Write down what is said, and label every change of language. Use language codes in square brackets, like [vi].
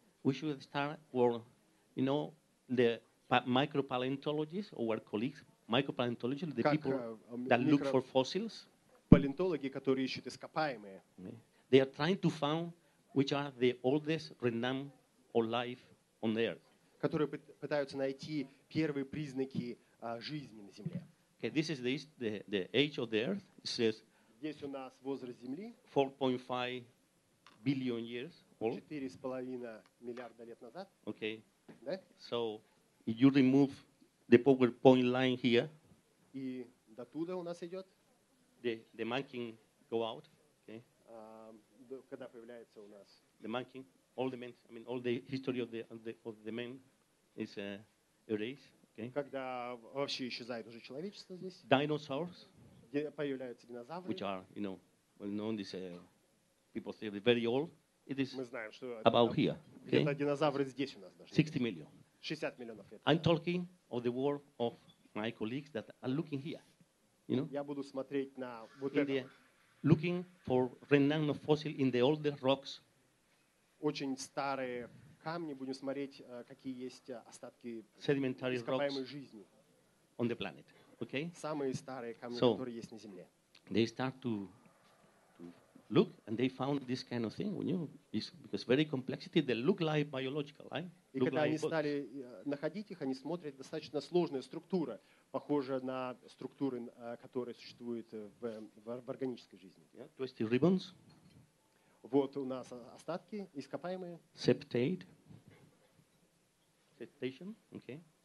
[en] We should start with, you know, the micropaleontologists, our colleagues, micropaleontologists, the [ru] как [en] people that look for fossils. [ru] Палеонтологи, которые ищут ископаемые. [en] They are trying to find which are the oldest remnants of life on Earth. [ru] Которые пытаются найти первые признаки жизни на Земле. [en] Okay, this is the age of the Earth. It says [ru] здесь у нас возраст Земли [en] 4.5 billion years old. [ru] 4.5 миллиарда лет назад. [en] Okay. [ru] Да? [en] So you remove the PowerPoint line here. [ru] И до туда у нас идет. [en] The monkey go out. Okay. [ru] Когда появляется у нас. [en] The monkey, all the men. I mean, all the history of the men is erased. Okay. [ru] Когда вообще исчезает уже человечество здесь? [en] Dinosaurs, [ru] где появляются динозавры? [en] Which are, you know, well known. These people say they're very old. It is [ru] мы знаем, что [en] about here. Okay. [ru] Где-то динозавры здесь у нас даже. 60 миллионов лет. [en] I'm talking of the world of my colleagues that are looking here. You know. [ru] Я буду смотреть на вот это. [en] Looking for remnants of fossils in the older rocks. [ru] Очень старые. Камни, будем смотреть, какие есть остатки [en] sedimentary [ru] ископаемой жизни. [en] On the planet. Okay? [ru] Самые старые камни, [en] so, [ru] которые есть на Земле. [en] They start to look and they found this kind of thing, you know, it's because very complexity, they look like biological, right? [ru] И когда они стали находить их, они смотрят, достаточно сложная структура, похожая на структуры, которые существуют в органической жизни. [en] Yeah, twisted ribbons. [ru] Вот у нас остатки ископаемые. [en] Septate. Septation. Okay.